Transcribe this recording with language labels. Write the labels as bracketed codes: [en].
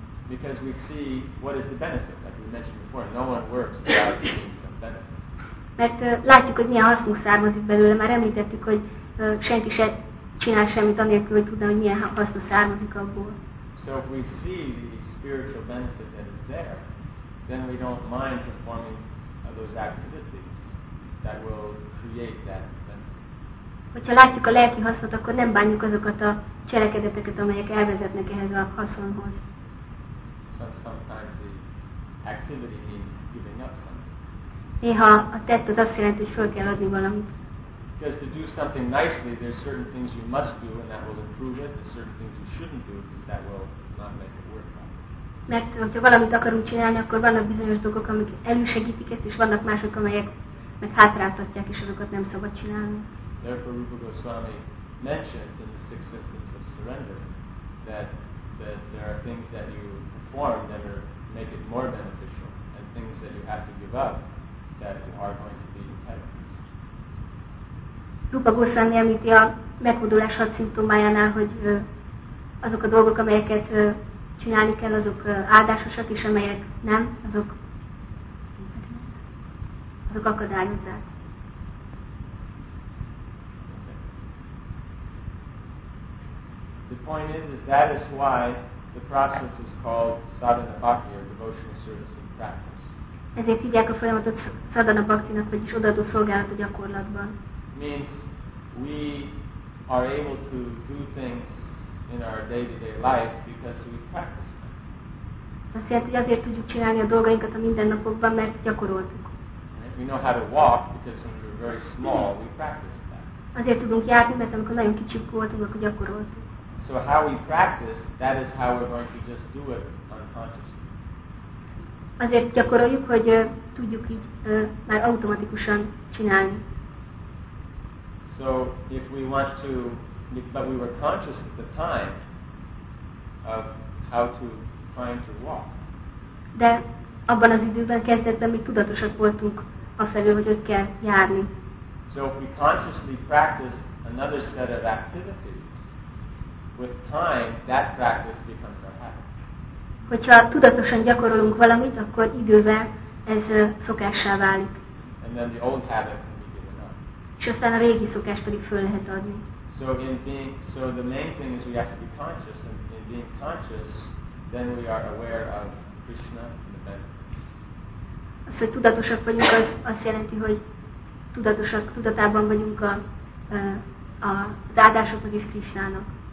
[en] Because we see what is the benefit, like we mentioned before, no one works without getting some benefit. [hu] Mert látjuk, hogy milyen hasznunk származik belőle, már említettük, hogy senki se csinál semmit anélkül, hogy tudna, hogy milyen hasznunk származik abból. [en] So if we see the spiritual benefit that is there, then we don't mind performing those activities that will create that benefit. [hu] Hogyha látjuk a lelki hasznot, akkor nem bánjuk azokat a cselekedeteket, amelyek elvezetnek ehhez a haszonhoz. [en] So sometimes the activity means giving up something. [hu] Néha a tett az azt jelenti, hogy föl kell adni valamit. [en] Because to do something nicely, there's certain things you must do, and that will improve it. There's certain things you shouldn't do, because that will not make it work. [hu] Mert hogyha valamit akarunk csinálni, akkor vannak bizonyos dolgok, amik elősegítik ezt, és vannak mások, amelyek meg hátráltatják, és azokat nem szabad csinálni. [en] Therefore, Rupa Goswami mentions in the six symptoms of surrender that there are things that you perform that are make it more beneficial, and things that you have to give up that you are going to be in heaven. [hu] Rupa Goswami a megfordulás hat szimptomájánál, hogy azok a dolgok, amelyeket csinálni kell, azok áldásosak, és amelyek nem, azok akadályozzák. [en] Okay. The point is that is why the process is called sadhana bhakti, or devotional service and practice. [hu] Ezért hívják a folyamatot szadana bhaktinak, vagyis odaadó szolgálat a gyakorlatban. [en] Means we are able to do things in our day-to-day life because we practice them. [hu] Azt jelenti, hogy azért tudjuk csinálni a dolgainkat a mindennapokban, mert gyakoroltuk. [en] We know how to walk because when we were very small, we practiced that. [hu] Azért tudunk járni, mert amikor nagyon kicsik voltunk, akkor gyakoroltuk. [en] So how we practice, that is how we're going to just do it unconsciously. [hu] Azért gyakoroljuk, hogy tudjuk így már automatikusan csinálni. [en] So if we want to, but we were conscious at the time of how to trying to walk. [hu] De abban az időben kezdetben még tudatosak voltunk afelől, hogy ott kell járni. [en] So if we consciously practice another set of activities, with time that practice becomes our habit. [hu] Hogyha tudatosan gyakorolunk valamit, akkor idővel ez szokássá válik. [en] And then the old habit can be given up. [hu] És aztán a régi szokás pedig föl lehet adni. [en] So in being, so the main thing is we have to be conscious, and in being conscious, then we are aware of Krishna and the benefits. [hu] Az, hogy tudatosak vagyunk, az azt jelenti, hogy tudatosak, tudatában vagyunk az áldásoknak és Krishnának.